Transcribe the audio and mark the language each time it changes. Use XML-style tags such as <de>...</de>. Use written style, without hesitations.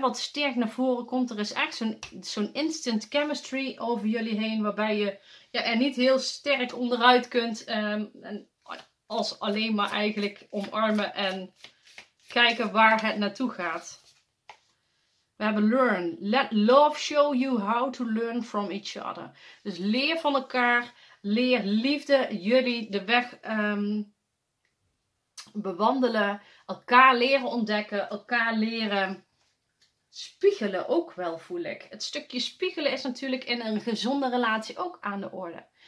<nl>Wat sterk naar voren komt. Er is echt zo'n instant chemistry over jullie heen. Waarbij je er niet heel sterk onderuit kunt. Als alleen maar eigenlijk omarmen en kijken waar het naartoe gaat. We hebben learn.</nl> <en>Let love show you how to learn from each other.</en> <nl>Dus leer van elkaar. Leer liefde jullie de weg bewandelen. Elkaar leren ontdekken. Elkaar leren spiegelen ook wel, voel ik. Het stukje spiegelen is natuurlijk in een gezonde relatie ook aan de orde.</nl>